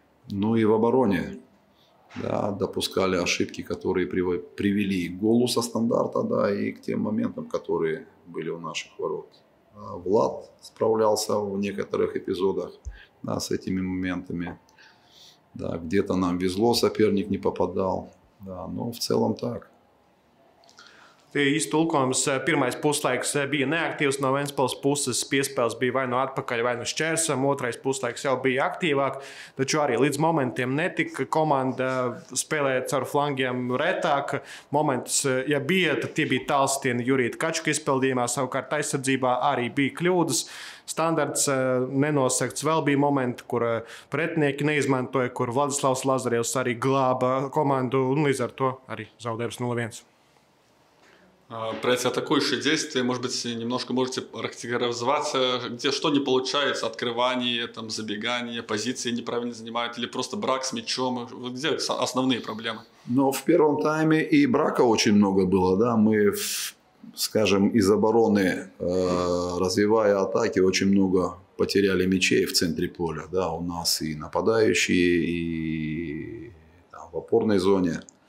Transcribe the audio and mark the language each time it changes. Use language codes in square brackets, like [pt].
[ru] Ну и в обороне, да, допускали ошибки, которые привели к голу со стандарта, да, и к тем моментам, которые были у наших ворот. Да, Влад справлялся в некоторых эпизодах, да, с этими моментами. Да, где-то нам везло, соперник не попадал, да, но в целом так. [lv] Tie iztulkojums, pirmais puslaiks bija neaktīvs no Ventspils puses, piespēles bija vai nu atpakaļ, vai nu šķērsam, otrais puslaiks jau bija aktīvāk, taču arī līdz momentiem netika, komanda spēlēja caur flangiem retāk, momentus, ja bija, tad tie bija Talstina Jurīta Kačuka izpildījumā, savukārt aizsardzībā arī bija kļūdas. Standarts nenosakts, vēl bija momenti, kur pretinieki neizmantoja, kur Vladislavs Lazarevs arī glāba komandu, un līdz ar to arī zaudējums 0-1. [ru] Противоатакующие действия, может быть, немножко можете характеризоваться, где что не получается, открывание, там, забегание, позиции неправильно занимают или просто брак с мячом, где основные проблемы? Ну, в первом тайме и брака очень много было, да, мы, скажем, из обороны, развивая атаки, очень много потеряли мячей в центре поля, да, у нас и нападающие, и там, в опорной зоне.